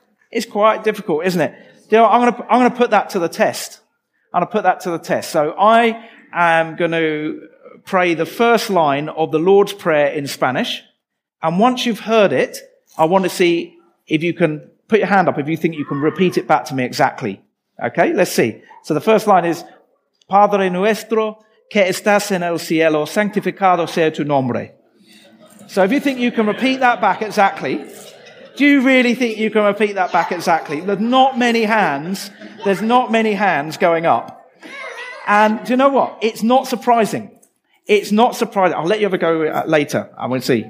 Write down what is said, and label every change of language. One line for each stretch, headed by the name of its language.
English: It's quite difficult, isn't it? You know, I'm going to put that to the test. I'm going to put that to the test. So, I am going to pray the first line of the Lord's Prayer in Spanish. And once you've heard it, I want to see if you can put your hand up if you think you can repeat it back to me exactly. Okay, let's see. So, the first line is,
Spanish: Padre nuestro, que estás en el cielo, santificado sea tu nombre.
English: So if you think you can repeat that back exactly, do you really think you can repeat that back exactly? There's not many hands going up. And do you know what? It's not surprising. I'll let you have a go later. I'm going to see.